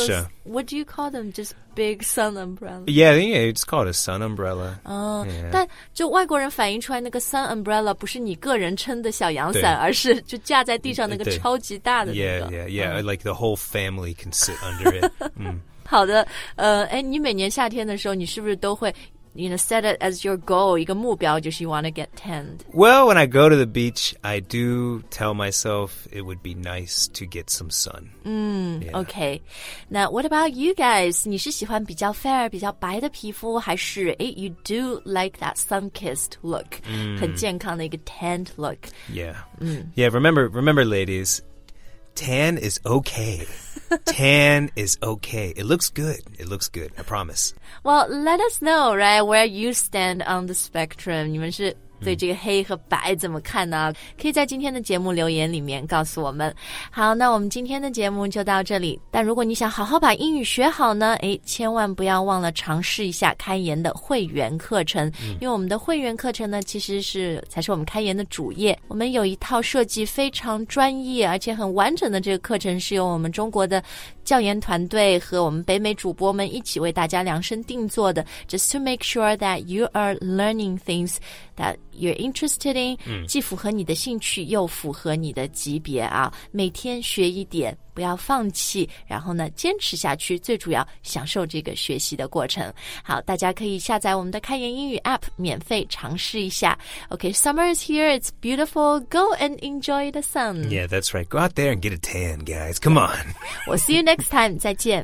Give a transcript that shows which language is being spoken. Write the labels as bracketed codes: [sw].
[zh] 是 [en] what do you call them just big sun umbrella yeah it's called a sun umbrella、 [zh] 但就外国人反映出来那个 sun umbrella 不是你个人撑的小阳伞而是就架在地上那个超级大的、那个、 [en] yeah、like the whole family can sit under it 、 [zh] 好的你每年夏天的时候你是不是都会 [en] You know, set it as your goal, [zh] 一个目标就是 [en] you want to get tanned. Well, when I go to the beach, I do tell myself it would be nice to get some sun. Okay. Now, what about you guys? [zh] 你是喜欢比较 fair, 比较白的皮肤还是 [en] you do like that sun-kissed look, [zh] 很健康的一个 [en] tanned look. Yeah. Yeah, remember, ladies, tan is okay. Tan is okay. It looks good. It looks good. I promise. Well, let us know, right, where you stand on the spectrum. [zh] 你们是对这个黑和白怎么看呢？可以在今天的节目留言里面告诉我们。好，那我们今天的节目就到这里。但如果你想好好把英语学好呢，千万不要忘了尝试一下开言的会员课程。因为我们的会员课程呢，才是我们开言的主业。我们有一套设计非常专业而且很完整的这个课程，是由我们中国的教研团队和我们北美主播们一起为大家量身定做的 ， [en] just to make sure that you are learning things that you're interested in， [zh] 既符合你的兴趣又符合你的级别啊，每天学一点。不要放弃然后呢坚持下去最主要享受这个学习的过程好大家可以下载我们的开言英语 APP 免费尝试一下 [en] Okay, summer is here it's beautiful go and enjoy the sun Yeah, that's right go out there and get a tan guys come on We'll see you next time [zh] 再见